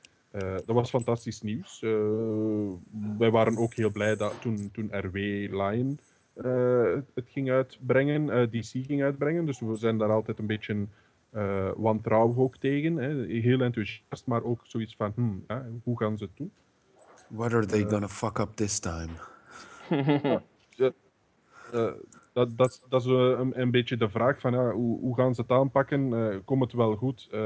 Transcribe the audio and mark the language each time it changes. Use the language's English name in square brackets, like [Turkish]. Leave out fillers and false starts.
[Dutch] Dat was fantastisch nieuws. Wij waren ook heel blij dat toen RW Lion het ging uitbrengen, DC ging uitbrengen. Dus we zijn daar altijd een beetje wantrouwig ook tegen. Hè. Heel enthousiast, maar ook zoiets van, hoe gaan ze het doen? [English] What are they gonna fuck up this time? [Dutch] Dat is een beetje de vraag van, hoe gaan ze het aanpakken? Komt het wel goed?